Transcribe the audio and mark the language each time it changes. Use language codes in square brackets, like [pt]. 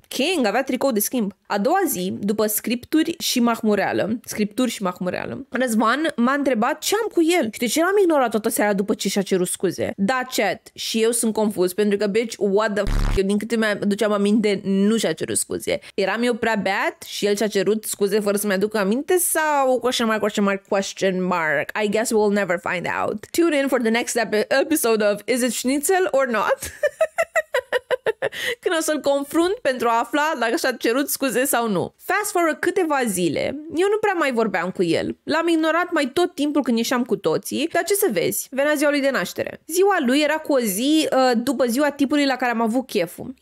[ro] King avea tricou de schimb. A doua zi, după scripturi și mahmureală, Răzvan m-a întrebat ce am cu el și de ce l-am ignorat toată seara după ce și-a cerut scuze. Da, chat, și eu sunt confuz pentru că, [en] bitch, what the fuck, [ro] eu din câte mi-a duceam aminte, nu și-a cerut scuze. Eram eu prea bad și el și-a cerut scuze fără să-mi aduc aminte sau [en] question mark? I guess we'll never find out. Tune in for the next episode of Is It Schnitzel or Not? [ro] Când o să-l confrunt pentru a afla dacă și-a cerut scuze sau nu. [en] Fast forward [ro] câteva zile, eu nu prea mai vorbeam cu el. L-am ignorat mai tot timpul când ieșeam cu toții, dar ce să vezi, venea ziua lui de naștere. Ziua lui era cu o zi după ziua tipului la care am avut cheful.